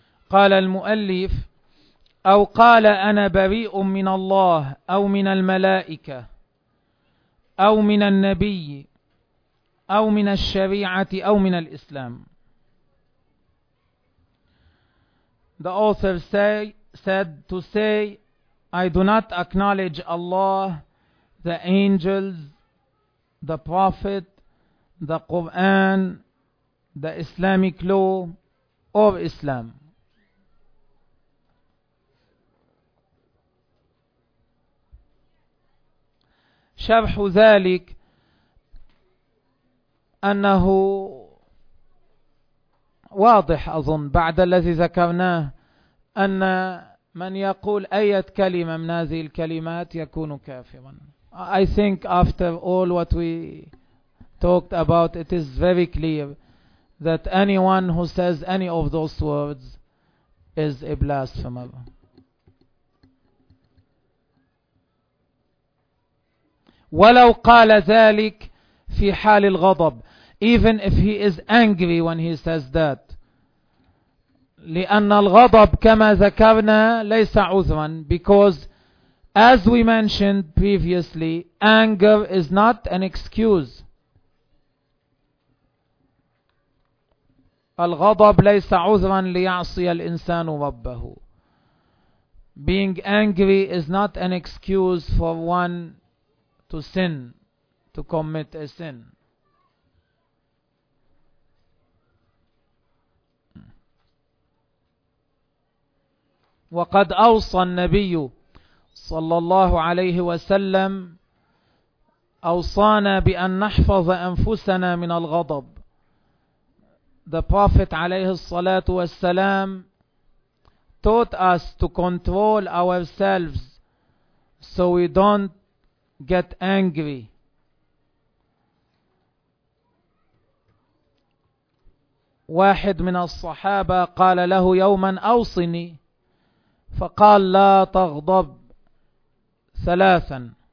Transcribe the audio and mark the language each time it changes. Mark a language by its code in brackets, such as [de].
[ar] قال المؤلف: أو قال أنا بريء من الله أو من الملائكة أو من النبي أو من الشريعة أو من الإسلام. [en] The author said to say, I do not acknowledge Allah, the angels, the prophet, the Quran, the Islamic law, or Islam. [ar] شرح ذلك أنه واضح أظن بعد الذي ذكرناه أن من يقول أي كلمة من هذه الكلمات يكون كافرا. [en] I think after all what we talked about, it is very clear that anyone who says any of those words is a blasphemer. [ar] ولو قال ذلك في حال الغضب, [en] even if he is angry when he says that, [ar] لأن الغضب كما ذكرنا ليس عذرا, [en] because as we mentioned previously, anger is not an excuse. [ar] الغضب ليس عذرا ليعصي الإنسان ربه. [en] Being angry is not an excuse for one to sin, to commit a sin. [ar] وقد أوصى النبي صلى الله عليه وسلم, أوصانا بأن نحفظ أنفسنا من الغضب. [en] The Prophet [ar] عليه الصلاة والسلام [en] taught us to control ourselves so we don't get angry. [ar] واحد من الصحابة قال له يوما أوصني, فقال لا تغضب ثلاثا.